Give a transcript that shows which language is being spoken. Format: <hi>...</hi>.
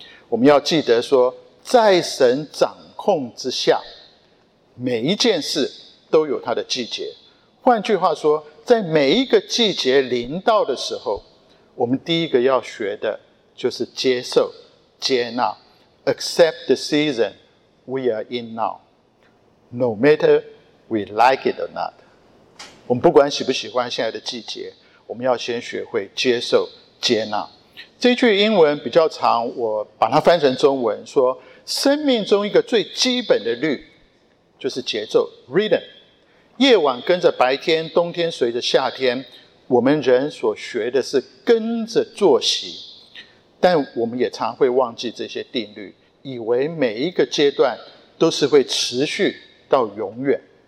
<zh>我们要记得说，在神掌控之下，每一件事都有它的季节。换句话说，在每一个季节临到的时候，我们第一个要学的就是接受、接纳。</zh> <en>Accept the season we are in now, no matter we like it or not.</en> <zh>我们不管喜不喜欢现在的季节，我们要先学会接受、接纳。这句英文比较长，我把它翻成中文说，生命中一个最基本的律就是节奏 rhythm。夜晚跟着白天，冬天随着夏天，我们人所学的是跟着作息，但我们也常会忘记这些定律，以为每一个阶段都是会持续到永远。</zh>